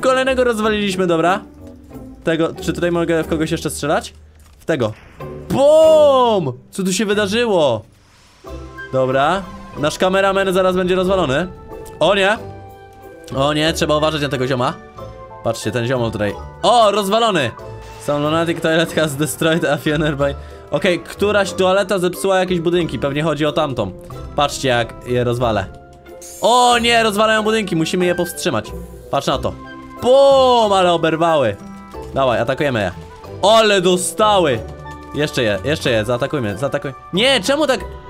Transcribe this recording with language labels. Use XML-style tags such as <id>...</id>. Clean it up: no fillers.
<pl>Kolejnego rozwaliliśmy, dobra. Tego, czy tutaj mogę w kogoś jeszcze strzelać? W tego. Bum! Co tu się wydarzyło? Dobra. Nasz kameramen zaraz będzie rozwalony. O nie. O nie, trzeba uważać na tego zioma. Patrzcie, ten ziom tutaj. O, rozwalony.</pl> <en>Some lunatic toilet has destroyed a few nearby.</en> <pl>Okej, okay, któraś toaleta zepsuła jakieś budynki. Pewnie chodzi o tamtą. Patrzcie, jak je rozwalę. O nie, rozwalają budynki, musimy je powstrzymać. Patrz na to. Bum, ale oberwały. Dawaj, atakujemy je. Ale dostały. Jeszcze je, zaatakujmy, zaatakujmy. Nie, czemu tak?</pl>